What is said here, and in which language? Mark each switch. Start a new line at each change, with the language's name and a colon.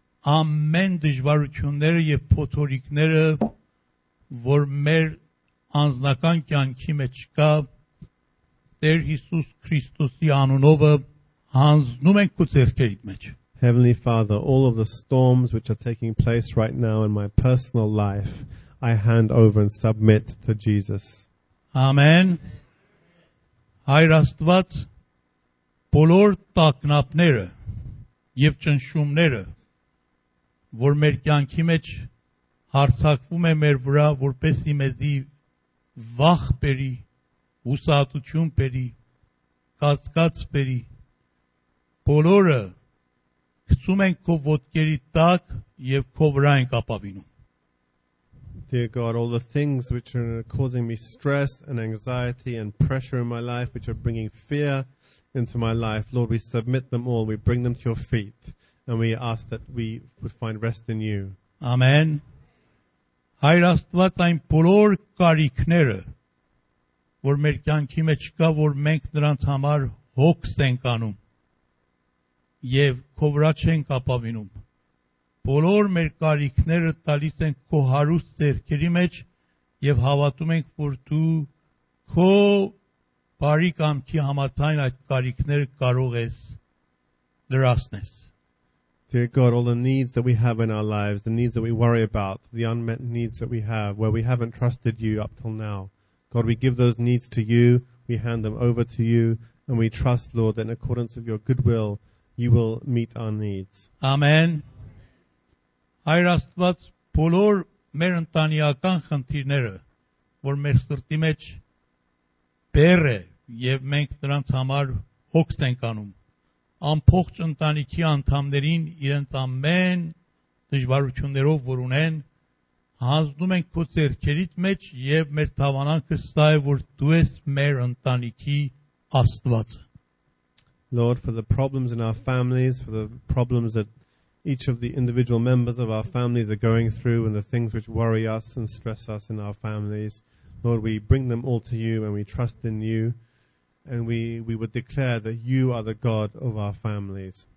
Armenian: Ամեն դժվարությունները եւ փոթորիկները, որ մեր անձնական կյանքի մեջ կա, Տեր Հիսուս Քրիստոսի անունով հանձնում ենք քո ձեռքերի մեջ.
English: Heavenly Father, all of the storms which are taking place right now in my personal life, I hand over and submit to Jesus.
Armenian: Ամեն. Հայր Աստված, բոլոր տակնապները եւ ճնշումները, որ մեր կյանքի մեջ հարցակվում է մեր վրա, որպեսի մեզի վախ բերի, հուսահատություն բերի, կասկած բերի, բոլորը գցում ենք քո ոտքերի տակ եւ քո վրա ենք ապավինում.
English: Dear God, all the things which are causing me stress and anxiety and pressure in my life, which are bringing fear into my life, Lord, we submit them all, we bring them to your feet. And we ask that we would find rest in you. Amen.
Armenian: Հայր Աստված, այն բոլոր կարիքները, որ մեր կյանքի մեջ կա, որ մենք նրանց համար հոգս ենք անում և քո վրա չենք ապավինում, բոլոր մեր կարիքները տալիս ենք քո հարուստ ձեռքերի մեջ և հավատում ենք, որ դու քո բարի կամքի համաձայն այդ կարիքները կարող ես լրացնես.
English: Dear God, all the needs that we have in our lives, the needs that we worry about, the unmet needs that we have, where we haven't trusted you up till now, God, we give those needs to you, we hand them over to you, and we trust, Lord, that in accordance with your goodwill, you will meet our needs. Amen.
Armenian: Հայր Աստված, բոլոր մեր ընտանիական խնդիրները, որ մեր սրտի մեջ բեր է, և մենք նրանց համար հոգս ենք անում, ամբողջ ընտանիքի անդամներին իրենց ամեն դժվարություններով, որ ունեն, հանձնում ենք քո ձեռքերիդ մեջ և մեր թավանանքը սա է, որ դու ես մեր ընտանիքի Աստված.
English: Lord, for the problems in our families, for the problems that each of the individual members of our families are going through and the things which worry us and stress us in our families, Lord, we bring them all to you and we trust in you. And we would declare that you are the God of our families.